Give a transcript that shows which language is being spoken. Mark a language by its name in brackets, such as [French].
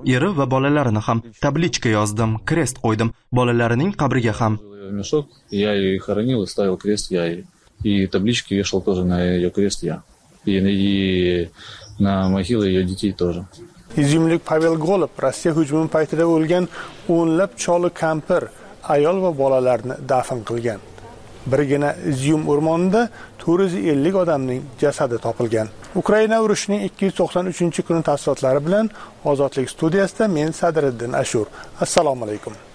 [Uzbek] Eri va bolalarini ham tabличка yozdim, krest qo'ydim. Bolalarining qabriga ham. [Russian] Я её хоронил, ставил крест я и таблички вешал тоже на её крест я. И на могилу её детей тоже. [Uzbek] Изюмлик Павел Голуб Россия hujumi paytida o'lgan 10 cholu kampir ayol va bolalarini dafn qilgan. Birgina Izyum o'rmonida 450 odamning jasadi topilgan. Ukraina urushining 293-chi kuni tafsilotlari bilan Ozodlik studiyasida men Sadriddin Ashur. Assalomu alaykum.